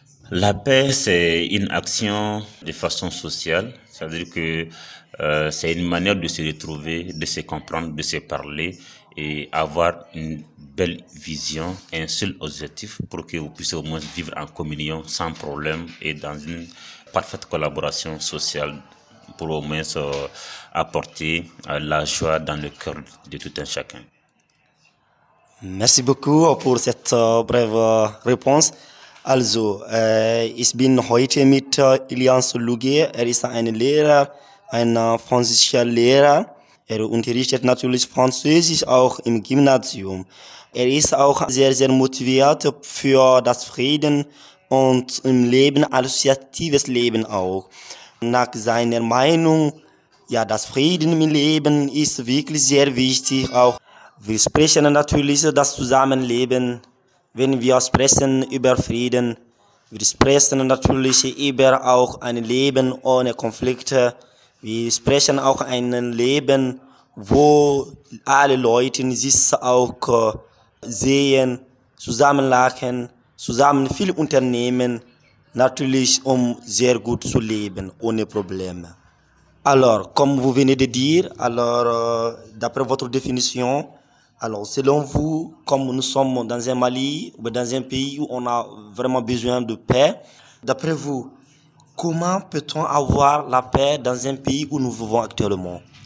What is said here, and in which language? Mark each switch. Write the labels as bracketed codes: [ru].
[fr] La paix, c'est une action de façon sociale, c'est-à-dire que c'est une manière de se retrouver, de se comprendre, de se parler et avoir une belle vision, un seul objectif pour que vous puissiez au moins vivre en communion sans problème et dans une parfaite collaboration sociale pour au moins apporter la joie dans le cœur de tout un chacun. Merci beaucoup pour cette brève réponse. [de] Also, ich bin heute mit Ilian Lougué. Er ist ein Lehrer, ein französischer Lehrer. Er unterrichtet natürlich Französisch auch im Gymnasium. Er ist auch sehr, sehr motiviert für das Frieden und im Leben, assoziatives Leben auch. Nach seiner Meinung, ja, das Frieden im Leben ist wirklich sehr wichtig auch. Wir sprechen natürlich das Zusammenleben. Wenn wir sprechen über Frieden, wir sprechen natürlich über auch ein Leben ohne Konflikte. Wir sprechen auch ein Leben, wo alle Leute sich auch sehen, zusammen lachen, zusammen viel unternehmen, natürlich um sehr gut zu leben, ohne Probleme. [fr] Alors, comme vous venez de dire, alors d'après votre définition, alors, selon vous, comme nous sommes dans un Mali ou dans un pays où on a vraiment besoin de paix, d'après vous, comment peut-on avoir la paix dans un pays où nous vivons actuellement?